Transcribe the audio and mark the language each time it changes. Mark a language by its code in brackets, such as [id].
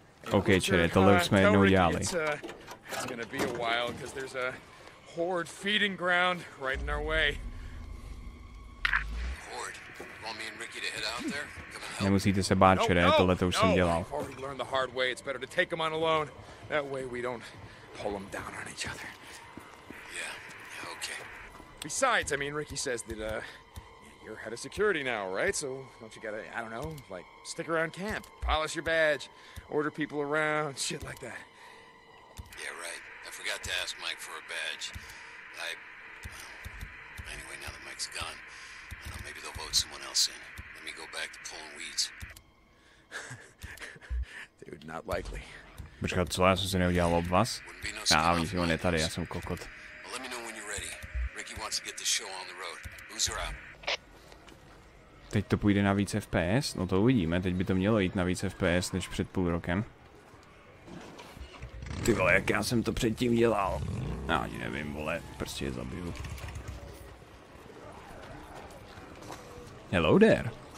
[cs] OK, čili tohle už jsme jednou dělali. [en] It's gonna be a while, because there's a horde feeding ground right in our way. Horde, want me and Ricky to head out there? [cs] Nemusíte se bát, čere, tohle to už jsem dělal. [en] I've already learned the hard way, it's better to take them on alone. That way we don't pull them down on each other. Yeah, okay. Besides, I mean, Ricky says that, you're head of security now, right? So don't you gotta, I don't know, like, stick around camp, polish your badge, order people around, shit like that. Yeah, right. I forgot to ask Mike for a badge. Anyway, now that Mike's gone, I know maybe they'll vote someone else in. Let me go back to pulling weeds. Dude, not likely. [cs] Počkat, co, já jsem se neudělal od vás? Já, oni si ho netady, já jsem kokot. [en] Well, let me know when you're ready. Ricky wants to get the show on the road. Loser out. [cs] Teď to půjde na víc FPS? No to uvidíme, teď by to mělo jít na víc FPS než před půl rokem. Ty vole, jak já jsem to předtím dělal. Já ani nevím, vole, prostě je zabiju. [en] Hello there.